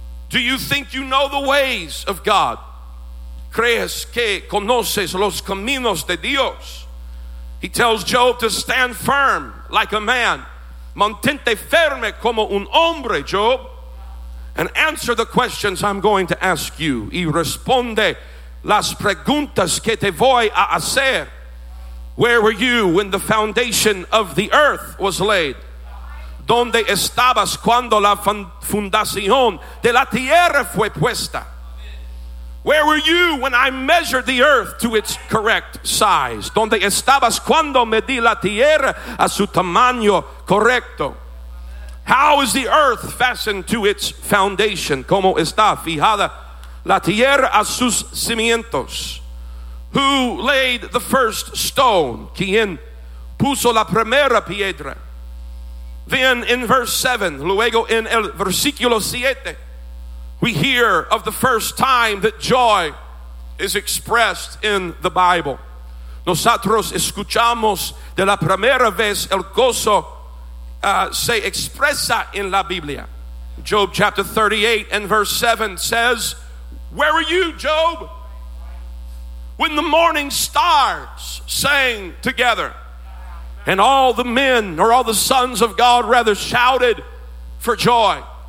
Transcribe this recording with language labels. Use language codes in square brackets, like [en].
[en] Do you think you know the ways of God? [es] ¿Crees que conoces los caminos de Dios? [en] He tells Job to stand firm like a man. [es] Mantente firme como un hombre, Job. [en] And answer the questions I'm going to ask you. [es] Y responde las preguntas que te voy a hacer. [en] Where were you when the foundation of the earth was laid? [es] ¿Dónde estabas cuando la fundación de la tierra fue puesta? [en] Where were you when I measured the earth to its correct size? [es] ¿Dónde estabas cuando medí la tierra a su tamaño correcto? [en] How is the earth fastened to its foundation? [es] ¿Cómo está fijada la tierra a sus cimientos? [en] Who laid the first stone? [es] ¿Quién puso la primera piedra? [en] Then in verse 7, [es] luego en el versículo 7, [en] we hear of the first time that joy is expressed in the Bible. [es] Nosotros escuchamos de la primera vez el gozo se expresa en la Biblia. [en] Job chapter 38 and verse 7 says, where were you, Job, when the morning stars sang together? And all the men, or all the sons of God rather, shouted for joy.